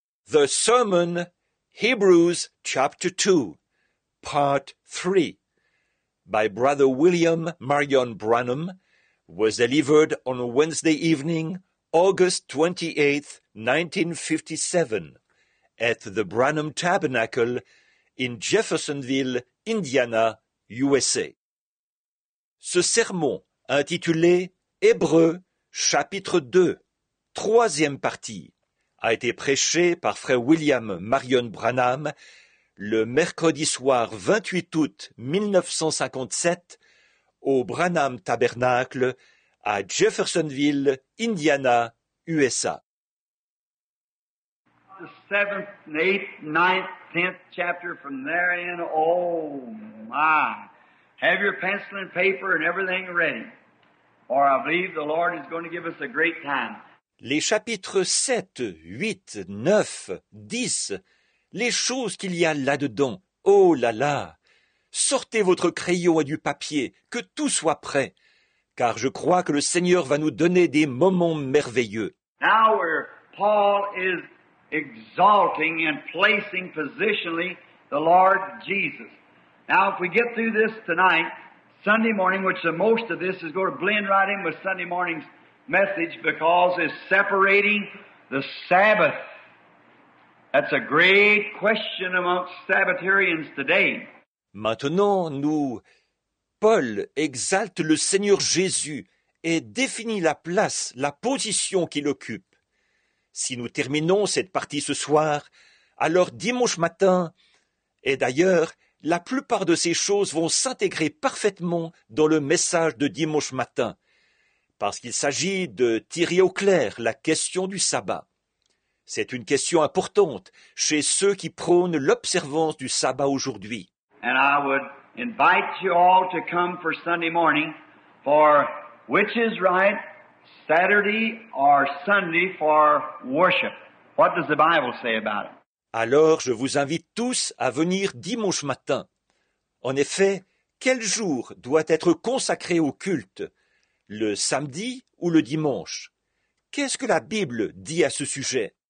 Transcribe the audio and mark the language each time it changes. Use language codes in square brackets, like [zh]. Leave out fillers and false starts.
[en] The Sermon, Hebrews Chapter 2, Part 3, by Brother William Marion Branham, was delivered on Wednesday evening, August 28, 1957, at the Branham Tabernacle in Jeffersonville, Indiana, USA. [fr] Ce sermon, intitulé Hébreux, chapitre 2, troisième partie, a été prêché par Frère William Marion Branham le mercredi soir 28 août 1957 au Branham Tabernacle à Jeffersonville, Indiana, USA. [en] The 7th, 8th, 9th, 10th chapter from there in, oh my, have your pencil and paper and everything ready, or I believe the Lord is going to give us a great time. [fr] Les chapitres 7, 8, 9, 10, les choses qu'il y a là-dedans, oh là là, sortez votre crayon et du papier, que tout soit prêt, car je crois que le Seigneur va nous donner des moments merveilleux. [en] Now where Paul is exalting and placing positionally the Lord Jesus. Now if we get through this tonight, Sunday morning, which the most of this is going to blend right in with Sunday morning's message, because it's separating the Sabbath. That's a great question amongst Sabbatarians today. [fr] Maintenant, Paul exalte le Seigneur Jésus et définit la place, la position qu'il occupe. Si nous terminons cette partie ce soir, alors dimanche matin, et d'ailleurs, la plupart de ces choses vont s'intégrer parfaitement dans le message de dimanche matin, parce qu'il s'agit de tirer au clair la question du sabbat. C'est une question importante chez ceux qui prônent l'observance du sabbat aujourd'hui. [en] And I would invite you all to come for Sunday morning, for which is right, Saturday or Sunday for worship. What does the Bible say about it? [fr] Alors, je vous invite tous à venir dimanche matin. En effet, quel jour doit être consacré au culte? Le samedi ou le dimanche? Qu'est-ce que la Bible dit à ce sujet?